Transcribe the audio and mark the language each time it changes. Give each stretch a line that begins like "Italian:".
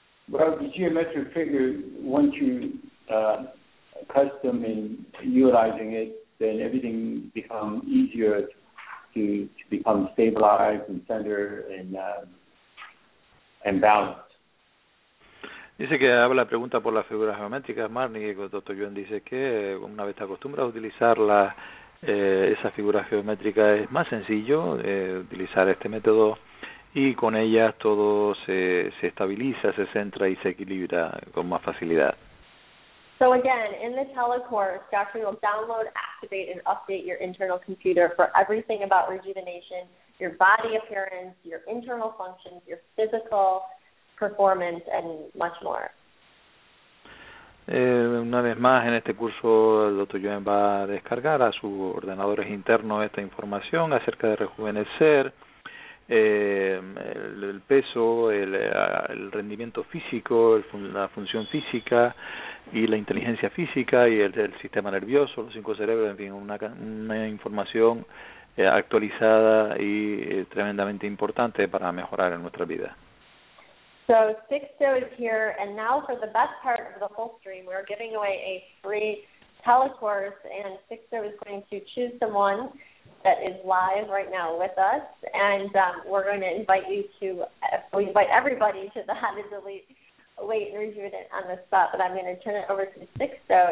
English: Well, the geometric figure, once you custom in utilizing it, then everything becomes easier to become stabilized and centered and balanced.
Spanish: Dice que habla la pregunta por las figuras geométricas, Marnie, y el doctor Yuen dice que una vez te acostumbras a utilizar esa figura geométrica, es más sencillo utilizar este método, y con ellas todo se estabiliza, se centra y se equilibra con más facilidad.
English: So again, in the telecourse, Dr. will download, activate, and update your internal computer for everything about rejuvenation, your body appearance, your internal functions, your physical performance, and much more.
Spanish: Una vez más, en este curso, el Dr. Yuen va a descargar a sus ordenadores internos esta información acerca de rejuvenecer, el peso, el rendimiento físico, la función física y la inteligencia física y el sistema nervioso, los cinco cerebros, en fin, una información actualizada y tremendamente importante para mejorar en nuestra vida.
English: So Sixto is here, and now for the best part of the whole stream, we're giving away a free telecourse, and Sixto is going to choose someone that is live right now with us, and we're going to invite you to, we invite everybody to the How to Delete Weight and Rejuvenate on the spot, but I'm going to turn it over to Sixto.